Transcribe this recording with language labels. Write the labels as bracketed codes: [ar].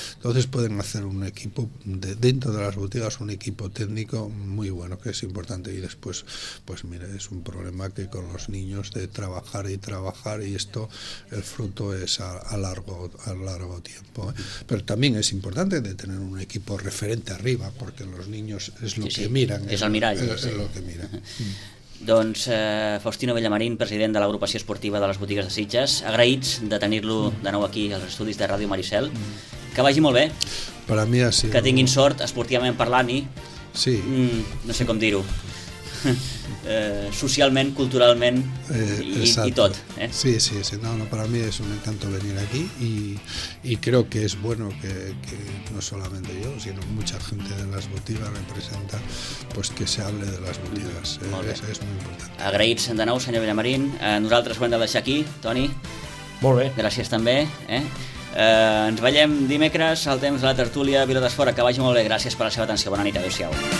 [es] Entonces pueden hacer un equipo dentro de las boutiques, un equipo técnico muy bueno, que es importante. Y después, pues mire, es un problema que con los niños de trabajar, y esto, el fruto es a largo tiempo, ¿eh? Pero también es importante de tener un equipo referente arriba, porque los niños es lo que miran. [ca] És el mirall. [es] És lo que miran. [ca] Doncs Faustino Bellamarín, president de l'agrupació esportiva de les botigues de Sitges, agraïts de tenir-lo de nou aquí als estudis de Ràdio Maricel. Que vagi molt bé. Per a mi ha sigut. Que tinguin sort, esportivament parlant, i sí. No sé com dir-ho. Socialment, culturalment i tot. Sí, sí, sí. [es] No, para mí es un encanto venir aquí y creo que es bueno que no solamente yo, sino mucha gente de las botigas representa, pues que se hable de las botigas. Es muy importante. [ca] Agraïts de nou, senyor Bellamarín. Nosaltres ho hem de deixar aquí, Toni. Molt bé. Gràcies també. Ens veiem dimecres al temps de la tertúlia Vila d'Esfora. Que vagi molt bé. Gràcies per la seva atenció. Bona nit. Adéu-siau.